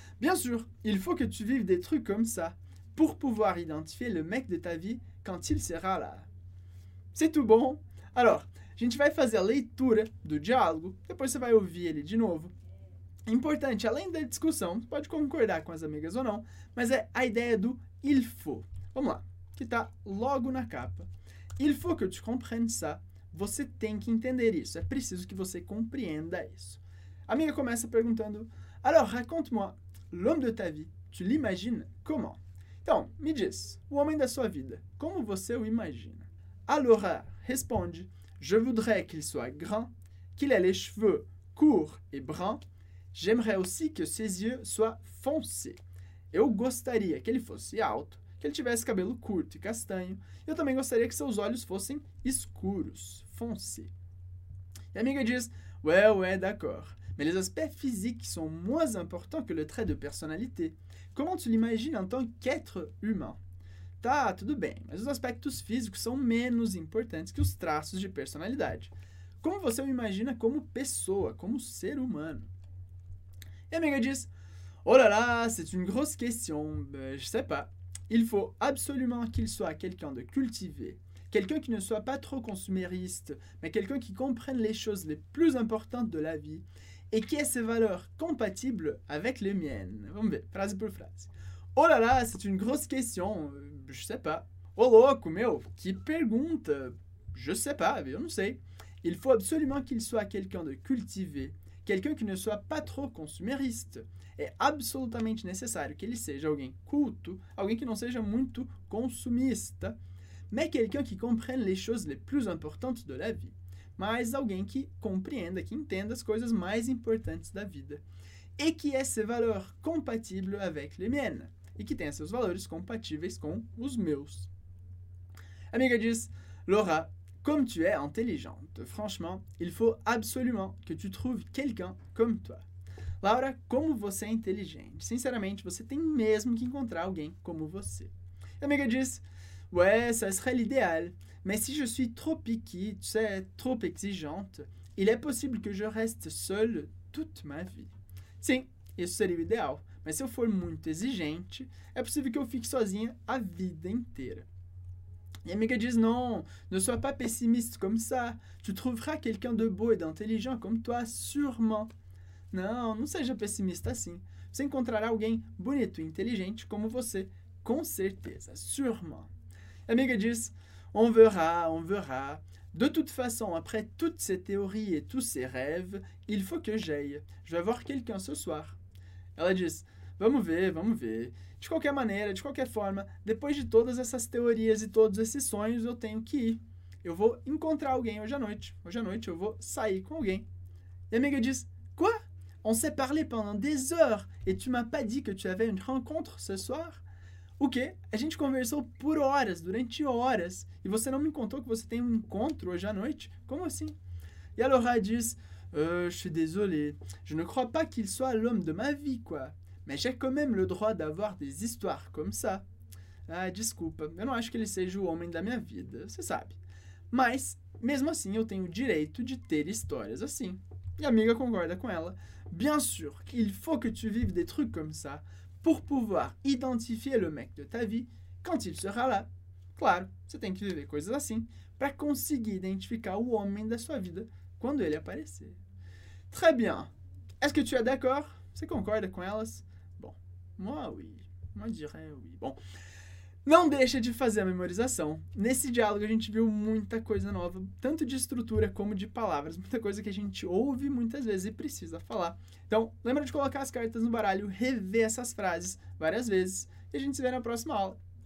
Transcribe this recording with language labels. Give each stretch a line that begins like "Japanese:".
French: Bien sûr, il faut que tu vives des trucs comme ça pour pouvoir identifier le mec de ta vie quand il sera là. C'est tout bon?
Portuguese: Alors, a gente vai fazer a leitura do diálogo, depois você vai ouvir ele de novo. Importante, além da discussão, pode concordar com as amigas ou não, mas é a ideia do il faut. Vamos lá, que está logo na capa.
French: Il faut que tu comprennes ça.
Portuguese: Você tem que entender isso, é preciso que você compreenda isso. A amiga começa perguntando,
French: alors raconte-moi, l'homme de ta vie, tu l'imagines comment?
Portuguese: Então, me diz, o homem da sua vida, como você o imagina?
French: Alors,
Portuguese: responde,
French: je voudrais qu'il soit grand, qu'il ait les cheveux courts et bruns. J'aimerais aussi que ses yeux soient foncés.
Portuguese: Eu gostaria que ele fosse alto, que ele tivesse cabelo curto e castanho. Eu também gostaria que seus olhos fossem escuros, foncés. E a amiga diz,
French: ouais, ouais, d'accord. Mais les aspects physiques sont moins importants que le trait de personnalité. Comment tu l'imagines en tant qu'être humain?
Portuguese: Tá, tudo bem, mas os aspectos físicos são menos importantes que os traços de personalidade. Como você o imagina como pessoa, como ser humano? E a amiga diz,
French: oh là là, c'est une grosse question, je sais pas. Il faut absolument qu'il soit quelqu'un de cultivé, quelqu'un qui ne soit pas trop consumériste, mais quelqu'un qui comprenne les choses les plus importantes de la vie et qui ait ses valeurs compatibles avec les miennes.
Portuguese: Vamos ver, frase por frase.
French: Oh là là, c'est une grosse question, je sais pas.
Portuguese: Oh louco, meu, que pergunta,
French: je sais pas,
Portuguese: eu não sei.
French: Il faut absolument qu'il soit quelqu'un de cultivé, quelqu'un qui ne soit pas trop consumériste.
Portuguese: É absolutamente necessário que ele seja alguém culto, alguém que não seja muito consumista,
French: mais quelqu'un qui comprenne les choses les plus importantes de la vie.
Portuguese: mas alguém que compreenda, que entenda as coisas mais importantes da vida. E que é
French: ce valeur compatible avec les miennes.
Portuguese: E que tenha seus valores compatíveis com os meus. A amiga diz,
French: Laura, comme tu es intelligente, franchement, il faut absolument que tu trouves quelqu'un comme toi.
Portuguese: Laura, como você é inteligente. Sinceramente, você tem mesmo que encontrar alguém como você. A amiga diz,
French: ouais, ça serait l'idéal, mais si je suis trop picky, tu sais, trop exigeante, il est possible que je reste seule toute ma vie.
Portuguese: Sim, isso seria o ideal, mas se eu for muito exigente, é possível que eu fique sozinha a vida inteira. E a amiga diz,
French: non, ne sois pas pessimiste comme ça, tu trouveras quelqu'un de beau et d'intelligent comme toi, sûrement.
Portuguese: Não, não seja pessimista assim, você encontrará alguém bonito e inteligente como você, com certeza,
French: sûrement.
Portuguese: A amiga diz,
French: on verra, de toute façon, après toutes ces théories et tous ces rêves, il faut que j'aille, je vais voir quelqu'un ce soir.
Portuguese: Ela diz, vamos ver, vamos ver. De qualquer maneira, de qualquer forma, depois de todas essas teorias e todos esses sonhos, eu tenho que ir. Eu vou encontrar alguém hoje à noite. Hoje à noite eu vou sair com alguém. E a amiga diz,
French: quoi? On s'est parlé pendant des heures et tu m'as pas dit que tu avais une rencontre ce soir?
Portuguese: O quê? A gente conversou por horas, durante horas, e você não me contou que você tem um encontro hoje à noite? Como assim? E a Laura diz,
French: je suis désolé, je ne crois pas qu'il soit l'homme de ma vie, quoi. Mais j'ai quand même le droit d'avoir des histoires comme ça.
Portuguese: Ah, desculpa, eu não acho que ele seja o homem da minha vida, você sabe. Mas, mesmo assim, eu tenho o direito de ter histórias assim. E a amiga concorda com ela.
French: Bien sûr, il faut que tu vives des trucs comme ça pour pouvoir identifier le mec de ta vie quand il sera là.
Portuguese: Claro, você tem que viver coisas assim para conseguir identificar o homem da sua vida quando ele aparecer.
French: Très bien, est-ce que tu es d'accord?
Portuguese: Você concorda com elas? Bom,
French: moi oui, moi dirais oui.
Portuguese: Bom, não deixa de fazer a memorização. Nesse diálogo a gente viu muita coisa nova, tanto de estrutura como de palavras, muita coisa que a gente ouve muitas vezes e precisa falar. Então, lembra de colocar as cartas no baralho, rever essas frases várias vezes e a gente se vê na próxima aula.